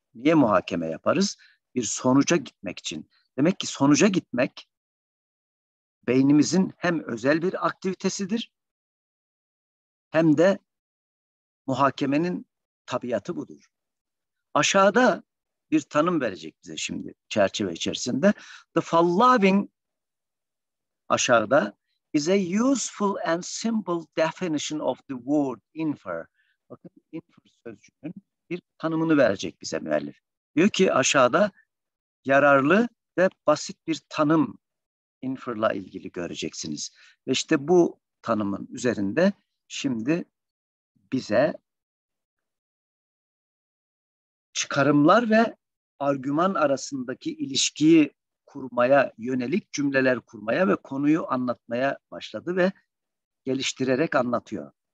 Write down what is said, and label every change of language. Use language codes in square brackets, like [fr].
[tr] Niye muhakeme yaparız? Bir sonuca gitmek için. Demek ki sonuca gitmek beynimizin hem özel bir aktivitesidir, hem de muhakemenin tabiatı budur. Aşağıda bir tanım verecek bize şimdi çerçeve içerisinde. [en] The following [tr] aşağıda [en] is a useful and simple definition of the word infer. [tr] Bakın infer sözcüğünün bir tanımını verecek bize müellif. Diyor ki aşağıda yararlı ve basit bir tanım inferla ilgili göreceksiniz. Ve işte bu tanımın üzerinde şimdi bize çıkarımlar ve argüman arasındaki ilişkiyi kurmaya yönelik cümleler kurmaya ve konuyu anlatmaya başladı ve geliştirerek anlatıyor.